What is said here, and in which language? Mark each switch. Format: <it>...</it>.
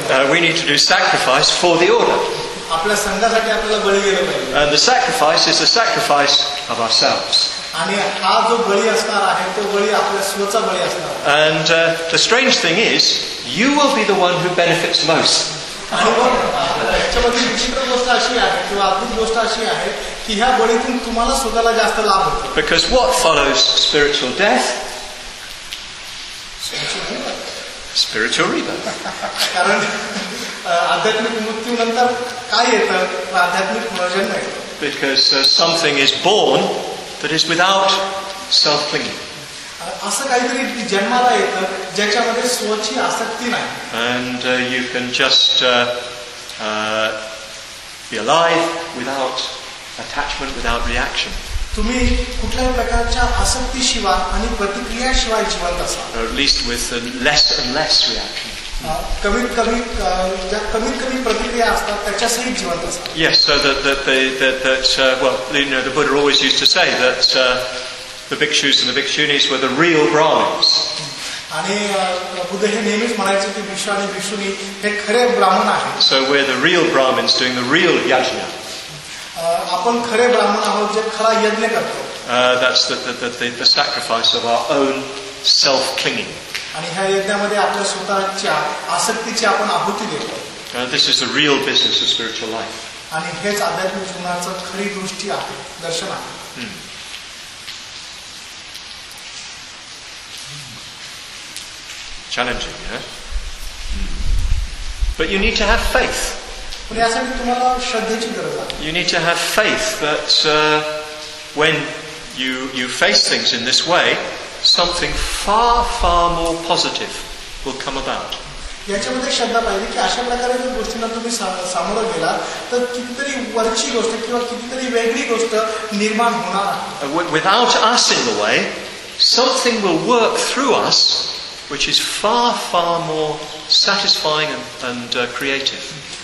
<en>We need to do sacrifice for the order.</en> <mr>आपल्या संघासाठी आपल्याला बळी गेलं पाहिजे.</mr> <en>And the sacrifice is the sacrifice of ourselves.</en> <mr>आणि हा जो बळी असणार आहे तो बळी आपल्या स्वतःचा बळी असणार.</mr> <en>And the strange thing is, you will be the one who benefits most.</en> <mr>आणि त्याच्यामध्ये विचित्र गोष्ट अशी आहे किंवा अद्भुत गोष्ट अशी आहे की ह्या बळीतून तुम्हाला स्वतःला जास्त लाभ होतो.</mr> <en>Because what follows spiritual death? Spiritual rebirth.</en> <mr>कारण आध्यात्मिक मृत्यूनंतर काय येतं? आध्यात्मिक पुनर्जन्म येतो.</mr> <en>Because something is born that is without self-clinging.</en> <mr>असं काहीतरी जन्माला येतं ज्याच्यामध्ये स्वची आसक्ती नाही.</mr> <en>And you can just be alive without attachment, without reaction.</en> <mr>तुम्ही कुठल्याही प्रकारच्या आसक्तीशिवाय आणि प्रतिक्रियाशिवाय जीवन असाल.</mr> <en>At least with less and less reaction.</en> <mr>कमीत कमी ज्या कमीत कमी प्रतिक्रिया असतात त्याच्यासहित जीवन असतात.</mr> <en>Yes, so that the Buddha always used to say that the bhikshus and the bhikshunis were the real Brahmins.</en> <mr>आणि बुद्ध हे नेहमीच म्हणायचे की भिक्षु आणि भिक्षुनी हे खरे ब्राह्मण आहे.</mr> <en>So we're the real Brahmins doing the real yajna.</en> <mr>आपण खरे ब्राह्मण आहोत जे खरा यज्ञ करतो.</mr> <en>That's the sacrifice of our own self-clinging.</en> <mr>आणि ह्या यज्ञामध्ये आपल्या स्वतःच्या आसक्तीची आपण आहुती देतो.</mr> <en>This is the real business of spiritual life.</en> <mr>आणि हेच आध्यात्मिक जीवनाचं खरी दृष्टी आहे, दर्शन आहे.</mr> <en>Challenging, yeah? But you need to have faith. You need to have faith that when you face things in this way, something far, far more positive will come about.</en> <mr>याच्यामध्ये श्रद्धा पाहिजे की अशा प्रकारे जर गोष्टींना तुम्ही सामोरं गेला तर कितीतरी वरची गोष्ट किंवा कितीतरी वेगळी गोष्ट निर्माण होणार.</mr> <en>Without us in the way, something will work through us which is far, far more satisfying and creative.</en>